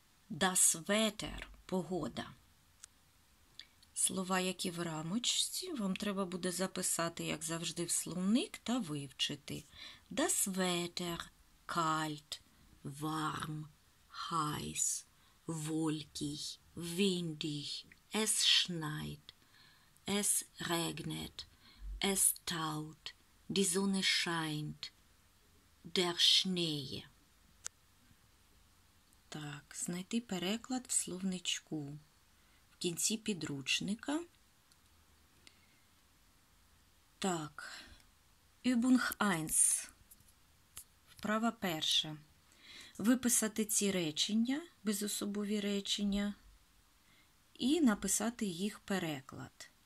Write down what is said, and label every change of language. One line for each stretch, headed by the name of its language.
German: Das Wetter –
Ukrainian: погода. Слова, які в рамочці, вам треба буде записати, як завжди, в словник та вивчити.
German: Das Wetter – kalt, warm, heiß, wolkig, windig, es schneit, es regnet, es taut, die Sonne scheint, der Schnee.
Ukrainian: Так, знайти переклад в словничку. В кінці підручника. Так,
German: Übung 1.
Ukrainian: Вправа перша. Виписати ці речення, безособові речення, і написати їх переклад.